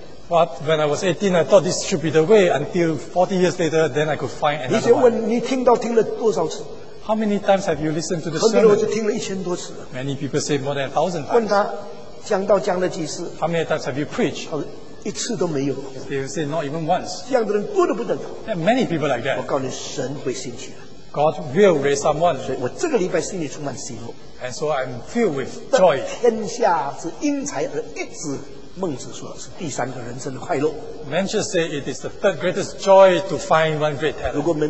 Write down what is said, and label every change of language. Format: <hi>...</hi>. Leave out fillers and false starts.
<en>But when I was 18, I thought this should be the way until 40 years later, then I could find another one. How many times have you listened to the sermon? Many people say more than 1,000 times.</en> <zh>讲到讲了几次,</zh> <en>how many times have you preached?</en> <zh>一次都没有,</zh> <en>they will say not even once.</en> <zh>这样的人多得不得了,</zh> <en>there are many people like that.</en> <zh>我告诉你,</zh> <en>God will raise someone.</en> <zh>所以我这个礼拜心里充满喜乐,</zh> <en>and so I'm filled with joy.</en> <zh>天下之英才而一子, 孟子说,</zh> <en>men should say it is the third greatest joy to find one great talent.</en>